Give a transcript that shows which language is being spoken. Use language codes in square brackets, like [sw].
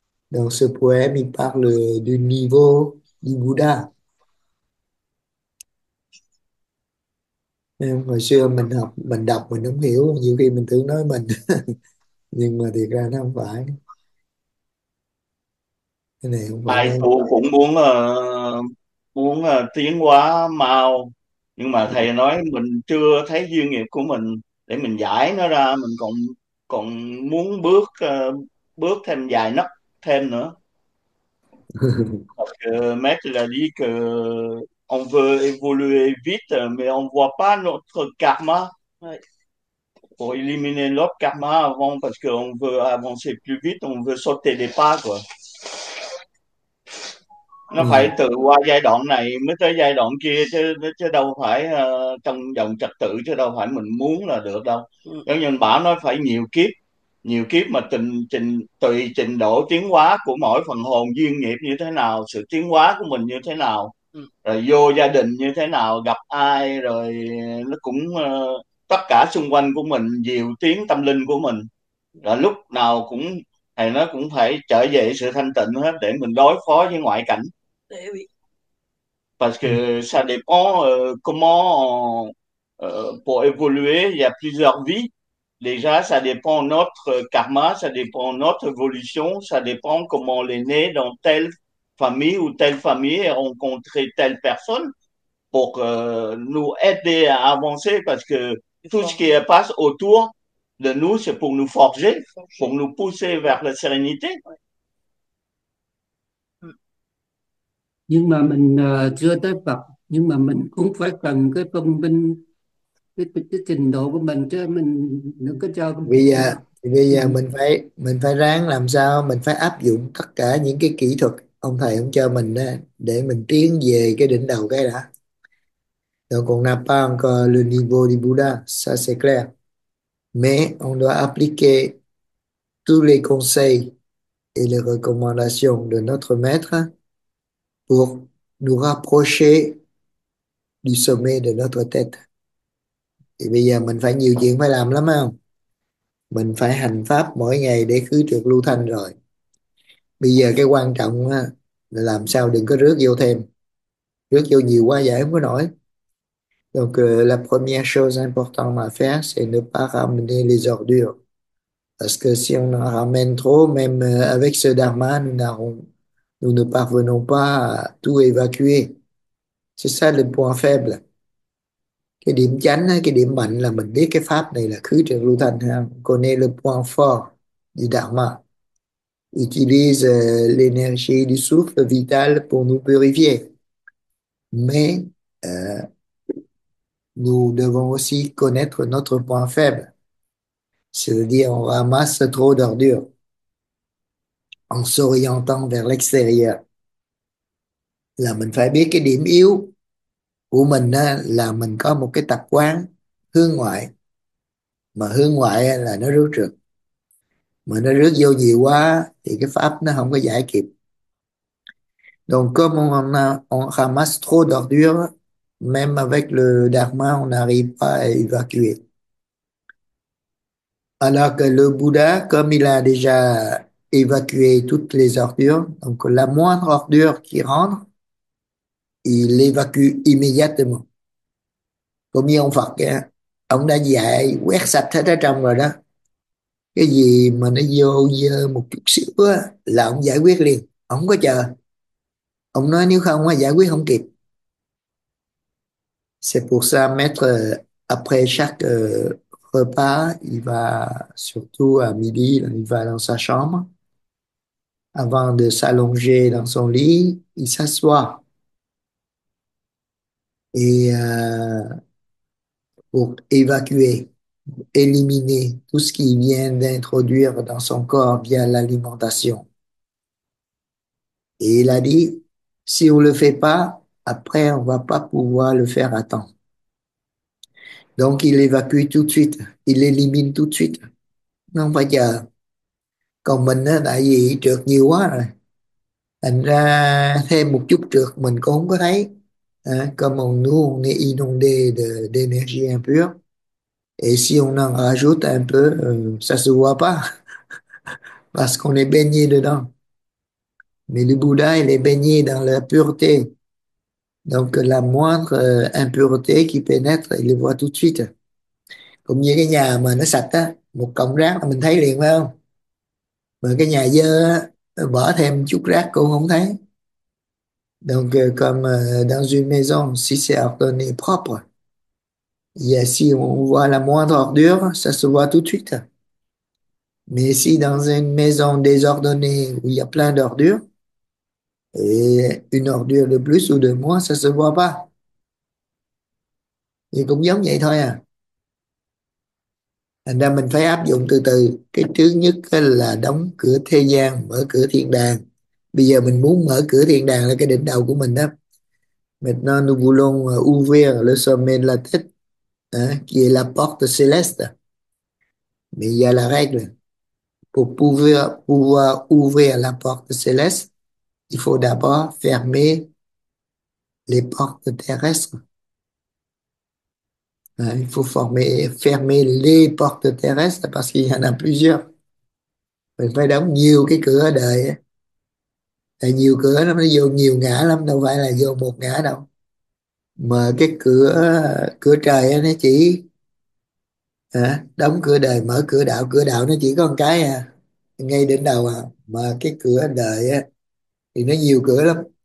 [fr] Dans ce poème, il parle du niveau du Bouddha. [vi] Em, hồi xưa mình đọc mình không hiểu, nhiều khi mình tưởng nói mình nhưng mà thiệt ra nó không phải. Cái này không phải Ai nói. cũng muốn muốn tiến hóa mau, nhưng mà thầy nói mình chưa thấy duyên nghiệp của mình để mình giải nó ra, mình còn còn muốn bước bước thêm vài nấc thêm nữa. [fr] Maître l'a dit que on veut évoluer vite, mais on voit pas notre karma. Pour éliminer notre karma avant, parce qu'on veut avancer plus vite, on veut sauter des pas, quoi. [vi] Nó phải từ qua giai đoạn này mới tới giai đoạn kia chứ, đâu phải trong dòng trật tự, chứ đâu phải mình muốn là được đâu. Giống như bảo nói phải nhiều kiếp, mà tùy trình độ tiến hóa của mỗi phần hồn, duyên nghiệp như thế nào, sự tiến hóa của mình như thế nào, rồi vô gia đình như thế nào, gặp ai, rồi nó cũng tất cả xung quanh của mình, diệu tiến tâm linh của mình là lúc nào cũng thì nó cũng phải trở về sự thanh tịnh hết, để mình đối phó với ngoại cảnh. [fr] Parce que ça dépend comment pour évoluer, il y a plusieurs vies. Déjà, ça dépend notre karma, ça dépend notre évolution, ça dépend comment on est né dans telle famille ou telle famille et rencontrer telle personne pour nous aider à avancer, parce que tout ce qui passe autour de nous, c'est pour nous forger, pour nous pousser vers la sérénité. [vi] Nhưng mà mình chưa tới Phật, nhưng mà mình cũng phải cần cái công minh, cái trình độ của mình chứ, mình đừng có cho Bây giờ mình phải ráng làm sao mình phải áp dụng tất cả những cái kỹ thuật ông thầy ông cho mình đó, để mình tiến về cái đỉnh đầu cái đã. [fr] Donc on n'a pas encore le niveau du Bouddha, ça c'est clair. Mais on doit appliquer tous les conseils et les recommandations de notre maître pour nous rapprocher du sommet de notre tête. [vi] Thì bây giờ mình phải nhiều chuyện phải làm lắm không? Mình phải hành pháp mỗi ngày để khứ trược lưu thanh rồi. Bây giờ cái quan trọng á, là làm sao đừng có rước vô thêm. Rước vô nhiều quá giải không có nổi. [fr] Donc la première chose importante à faire, c'est ne pas ramener les ordures. Parce que si on en ramène trop, même avec ce dharma, nous ne parvenons pas à tout évacuer. C'est ça le point faible. [vi] Cái điểm chánh, cái điểm mạnh là mình biết cái pháp này là khứ trược lưu thanh ha. [fr] Connaît le point fort du dharma. Utilise l'énergie du souffle vital pour nous purifier. Mais nous devons aussi connaître notre point faible. C'est-à-dire, on ramasse trop d'ordures en s'orientant vers l'extérieur. [vi] Là mình phải biết cái điểm yếu của mình á, là mình có một cái tập quán hướng ngoại, mà hướng ngoại á, là nó rước trượt, mà nó rước vô nhiều quá thì cái pháp nó không có giải kịp. [fr] Donc comme on ramasse trop d'ordures, même avec le dharma on n'arrive pas à évacuer. Alors que le Bouddha, comme il a déjà évacué toutes les ordures, donc la moindre ordure qui rentre, il l'évacue immédiatement. Comme [vi] như ông Phật, ông đã dạy quét sạch hết ở trong rồi đó. Cái gì mà nó vô dơ một chút xíu á, là ông giải quyết liền, ông không có chờ. Ông nói nếu không á, giải quyết không kịp. [fr] C'est pour ça, maître, après chaque repas, il va, surtout à midi, il va dans sa chambre. Avant de s'allonger dans son lit, il s'assoit. Et pour évacuer, éliminer tout ce qui vient d'introduire dans son corps via l'alimentation. Et il a dit, si on ne le fait pas, Après, on va pas pouvoir le faire à temps. Donc, il évacue tout de suite. Il élimine tout de suite. [vi] Non, bây giờ, còn mình đã gì trượt nhiều quá rồi. Thành ra thêm một chút trượt mình cũng không có thấy. [fr] À, comme on nous, on est inondé d'énergie impure. Et si on en rajoute un peu, ça se voit pas. Parce qu'on est baigné dedans. Mais le Bouddha, il est baigné dans la pureté. Donc, la moindre impureté qui pénètre, il le voit tout de suite. [vi] Cũng như cái nhà mà nó sạch á, một cọng rác mình thấy liền phải không? Mà cái nhà dơ á, bỏ thêm chút rác cũng không thấy. [fr] Donc, comme dans une maison, si c'est ordonné propre, et si on voit la moindre ordure, ça se voit tout de suite. Mais si dans une maison désordonnée, où il y a plein d'ordures, et une ordure de plus ou de moins, ça se voit pas. [vi] Thì cũng giống vậy thôi à. Thành ra mình phải áp dụng từ từ. Cái thứ nhất là đóng cửa thế gian, mở cửa thiên đàng. Bây giờ mình muốn mở cửa thiên đàng là cái đỉnh đầu của mình đó. [fr] Maintenant, nous voulons ouvrir le sommet de la tête, hein, qui est la porte céleste. Mais il y a la règle. Pour pouvoir ouvrir la porte céleste, il faut d'abord fermer les portes terrestres. Hein, il faut fermer les portes terrestres parce qu'il y en a plusieurs. [vi] Mình phải đóng nhiều cái cửa ở đời ấy. Tại nhiều cửa nó vô nhiều ngã lắm, đâu phải là vô một ngã đâu. Mà cái cửa cửa trời ấy, nó chỉ à, đóng cửa đời, mở cửa đạo. Cửa đạo nó chỉ có một cái à, ngay đỉnh đầu à. Mà cái cửa đời ấy, thì nó nhiều cửa lắm.